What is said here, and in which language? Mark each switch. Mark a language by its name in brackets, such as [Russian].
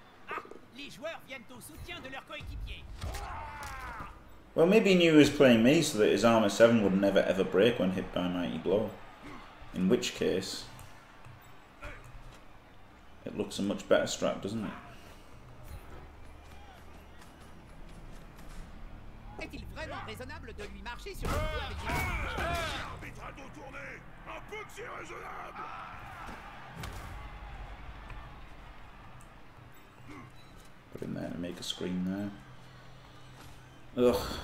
[French] Ah, les joueurs viennent au soutien de leurs coéquipiers. [English] Well, maybe he knew he was playing me so that his armor 7 would never ever break when hit by Mighty Blow. In which case, it looks a much better strat, doesn't it? [French] Est-il vraiment raisonnable de lui marcher sur le coup avec les... Arbitre à dos tourné, un peu que c'est raisonnable. [English] Put him there and make a screen there. Ugh.